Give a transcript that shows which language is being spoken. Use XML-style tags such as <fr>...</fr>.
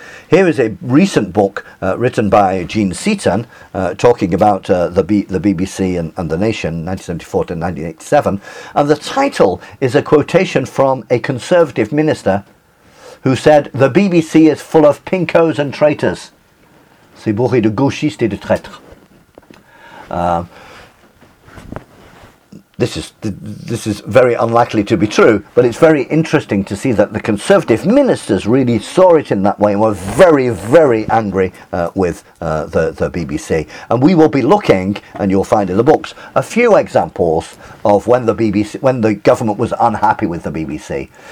<en>Here is a recent book written by Jean Seaton talking about the BBC and the Nation, 1974 to 1987. And the title is a quotation from a Conservative minister who said, the BBC is full of pinkos and traitors.</en> <fr>C'est bourré de gauchistes et de traîtres.</fr> <en>This is very unlikely to be true, but it's very interesting to see that the Conservative ministers really saw it in that way and were very, very angry with the BBC. And we will be looking, and you'll find in the books, a few examples of when the government was unhappy with the BBC.</en>